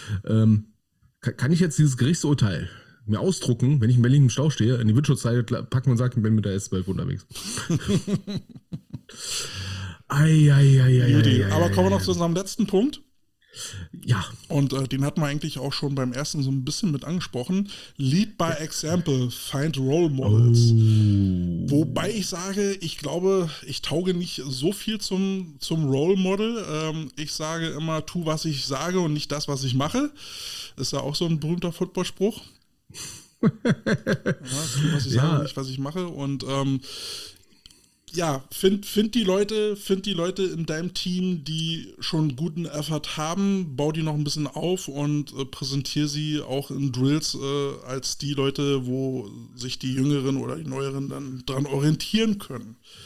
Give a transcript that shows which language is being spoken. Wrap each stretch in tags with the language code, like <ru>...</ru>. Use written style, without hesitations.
<de>Kann ich jetzt dieses Gerichtsurteil mir ausdrucken, wenn ich in Berlin im Stau stehe, in die Windschutzzeile packen und sagen, ich bin mit der S12 unterwegs? Eieieiei. Aber kommen wir noch zu unserem letzten Punkt. Ja. Und den hatten wir eigentlich auch schon beim ersten so ein bisschen mit angesprochen.</de> <en>Lead by example, find role models. Oh.</en> <de>Wobei ich sage, ich glaube, ich tauge nicht so viel zum Role Model. Ich sage immer, tu, was ich sage und nicht das, was ich mache. Ist ja auch so ein berühmter Football-Spruch. Ja, tu, was ich sage und nicht, was ich mache. Und find die Leute in deinem Team, die schon guten Effort haben, bau die noch ein bisschen auf und präsentiere sie auch in Drills als die Leute, wo sich die Jüngeren oder die Neueren dann dran orientieren können.</de>